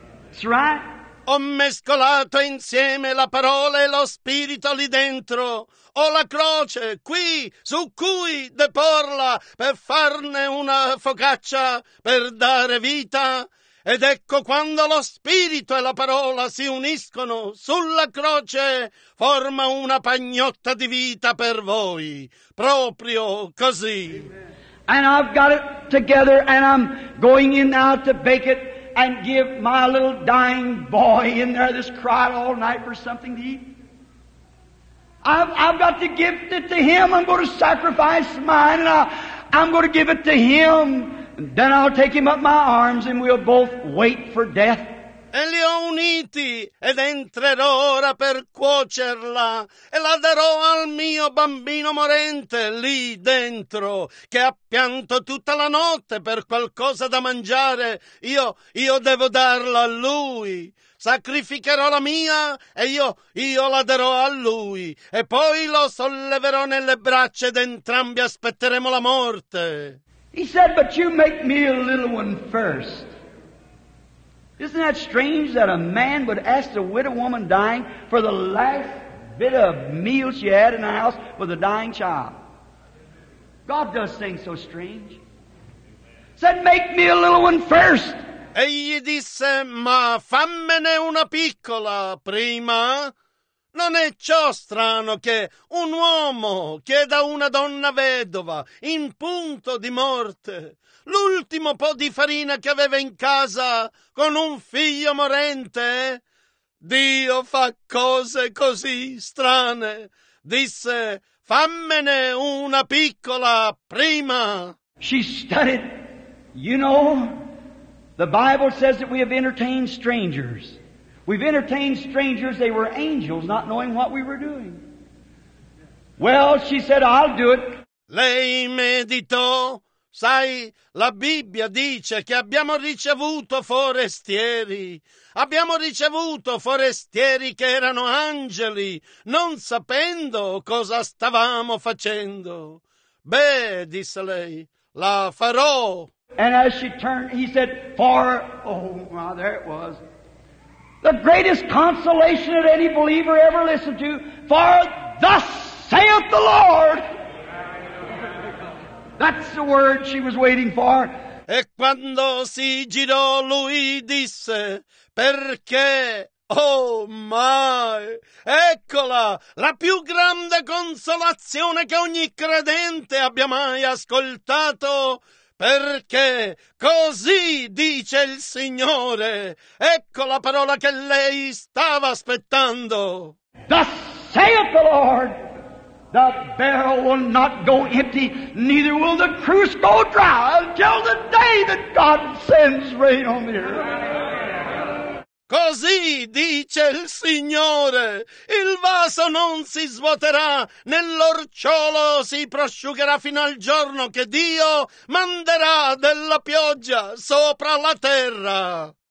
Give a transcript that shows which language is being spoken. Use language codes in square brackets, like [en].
[en] That's right. [it] Ho mescolato insieme la parola e lo spirito lì dentro. Ho la croce qui, su cui deporla, per farne una focaccia, per dare vita. Ed ecco quando lo spirito e la parola si uniscono sulla croce, forma una pagnotta di vita per voi. Proprio così. [en] And I've got it together and I'm going in now to bake it. And give my little dying boy in there that's cried all night for something to eat. I've got to give it to him. I'm going to sacrifice mine and I'm going to give it to him. And then I'll take him up my arms and we'll both wait for death. [it] E li ho uniti ed entrerò ora per cuocerla e la darò al mio bambino morente lì dentro che ha pianto tutta la notte per qualcosa da mangiare. Io devo darla a lui. Sacrificherò la mia e io la darò a lui e poi lo solleverò nelle braccia ed entrambi aspetteremo la morte. [en] He said, but you make me a little one first. Isn't that strange that a man would ask the widow woman dying for the last bit of meal she had in the house with a dying child? God does things so strange. Said, make me a little one first. [it] Egli disse, ma fammene una piccola prima. Non è ciò strano che un uomo chieda una donna vedova in punto di morte l'ultimo po' di farina che aveva in casa con un figlio morente? Dio fa cose così strane. Disse, fammene una piccola prima. [en] She studied. You know, the Bible says that we have entertained strangers. We've entertained strangers, they were angels, not knowing what we were doing. Well, she said, I'll do it. [it] Lei meditò, sai, la Bibbia dice che abbiamo ricevuto forestieri. Abbiamo ricevuto forestieri che erano angeli, non sapendo cosa stavamo facendo. Beh, disse lei, la farò. [en] And as she turned, he said, for, oh, well, there it was. The greatest consolation that any believer ever listened to, for thus saith the Lord. That's the word she was waiting for. [it] E quando si girò lui disse, perché, oh mai, eccola la più grande consolazione che ogni credente abbia mai ascoltato. Perché così dice il Signore. Ecco la parola che lei stava aspettando. [en] Thus saith the Lord, the barrel will not go empty, neither will the cruse go dry until the day that God sends rain on the earth. [it] Così dice il Signore, il vaso non si svuoterà, né l'orciolo si prosciugherà fino al giorno che Dio manderà della pioggia sopra la terra.